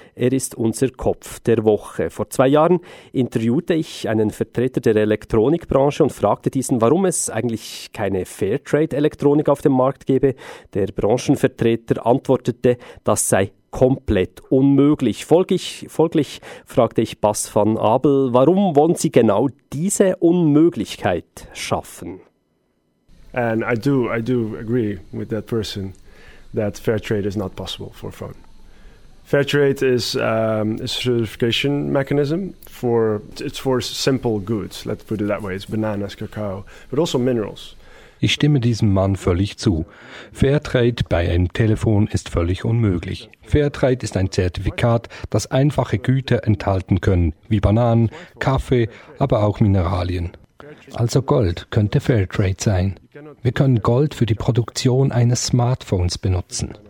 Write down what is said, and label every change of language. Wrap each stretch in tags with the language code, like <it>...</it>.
<de>Er ist unser Kopf der Woche. Vor 2 Jahren interviewte ich einen Vertreter der Elektronikbranche und fragte diesen, warum es eigentlich keine Fairtrade-Elektronik auf dem Markt gebe. Der Branchenvertreter antwortete, das sei komplett unmöglich. Folglich fragte ich Bas van Abel, warum wollen Sie genau diese Unmöglichkeit schaffen?</de> <en>And I do agree with that person that Fairtrade is not possible for a phone. Fairtrade is a certification mechanism for it's for simple goods. Let's put it that way. It's bananas, cacao, but also minerals.</en> <de>Ich stimme diesem Mann völlig zu. Fairtrade bei einem Telefon ist völlig unmöglich. Fairtrade ist ein Zertifikat, das einfache Güter enthalten können, wie Bananen, Kaffee, aber auch Mineralien. Also Gold könnte Fairtrade sein. Wir können Gold für die Produktion eines Smartphones benutzen.</de>